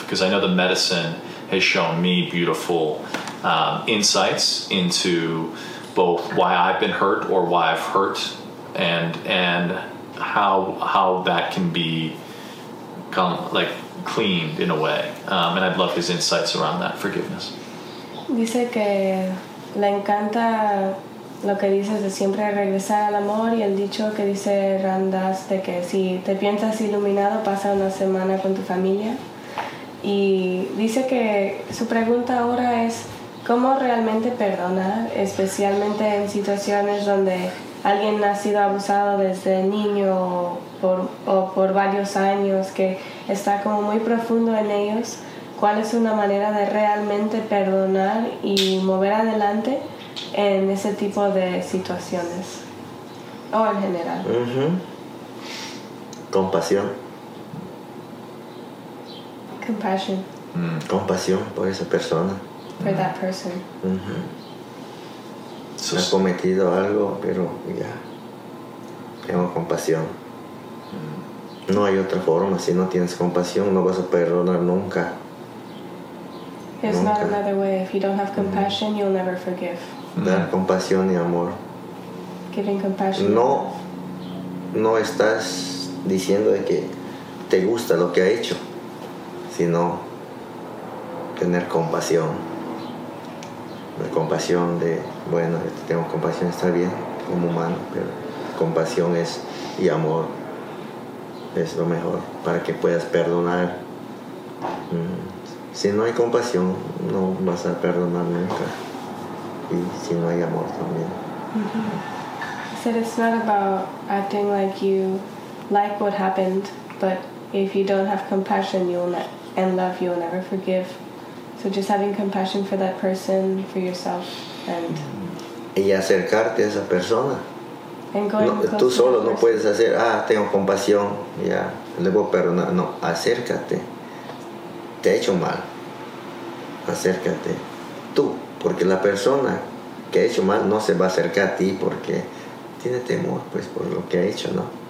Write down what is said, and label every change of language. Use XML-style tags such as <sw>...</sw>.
<en>Because I know the medicine has shown me beautiful insights into both why I've been hurt or why I've hurt, and how that can be come, like, cleaned in a way. And I'd love his insights around that, forgiveness.</en> <es>Dice que le encanta lo que dices de siempre regresar al amor, y el dicho que dice Ram Dass de que si te piensas iluminado, pasa una semana con tu familia. Y dice que su pregunta ahora es, ¿cómo realmente perdonar? Especialmente en situaciones donde alguien ha sido abusado desde niño o por varios años, que está como muy profundo en ellos. ¿Cuál es una manera de realmente perdonar y mover adelante en ese tipo de situaciones? O en general. Compasión.</es> <en>Compassion.</en> <es>Compasión por esa persona.</es> <en>For that person.</en> <es>Me ha cometido algo, pero ya. Tengo compasión. No hay otra forma. Si no tienes compasión, no vas a perdonar nunca.</es> <en>There's not another way. If you don't have compassion, you'll never forgive.</en> <es>Dar compasión y amor.</es> <en>Giving compassion.</en> <es>No estás diciendo de que te gusta lo que ha hecho, sino tener compasión. La compasión de, bueno, tengo compasión, está bien como humano, pero compasión es, y amor es lo mejor para que puedas perdonar. Si no hay compasión, no vas a perdonar nunca. Y si no hay amor también.</es> <en>He said it's not about acting like you like what happened, but if you don't have compassion, you'll never forgive. So just having compassion for that person, for yourself, and...</en> <es>Y acercarte a esa persona.</es> <en>And going closer to that person.</en> <es>Tú solo no puedes hacer, tengo compasión, ya, le voy a perdonar. No, acércate. Te ha hecho mal. Acércate. Tú, porque la persona que ha hecho mal no se va a acercar a ti porque tiene temor, pues, por lo que ha hecho, ¿no?</es>